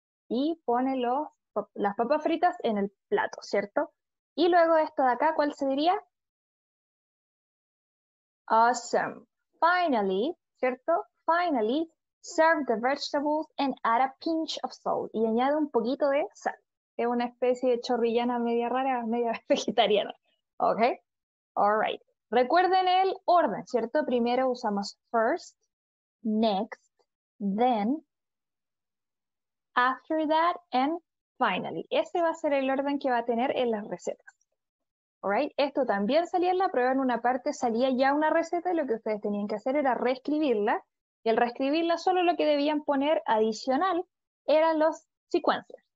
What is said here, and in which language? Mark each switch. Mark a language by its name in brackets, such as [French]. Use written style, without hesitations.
[Spanish] Y pone las papas fritas en el plato, ¿cierto? Y luego esto de acá, ¿cuál se diría? [English] Awesome. Finally, ¿cierto? Finally, serve the vegetables and add a pinch of salt. [Spanish] Y añade un poquito de sal. Es una especie de chorrillana media rara, media vegetariana. [English] Okay? All right. [Spanish] Recuerden el orden, ¿cierto? Primero usamos [English] first, next, then, after that, and finally. [Spanish] Ese va a ser el orden que va a tener en las recetas. Alright, esto también salía en la prueba. En una parte salía ya una receta y lo que ustedes tenían que hacer era reescribirla. Y al reescribirla, solo lo que debían poner adicional eran los sequencers.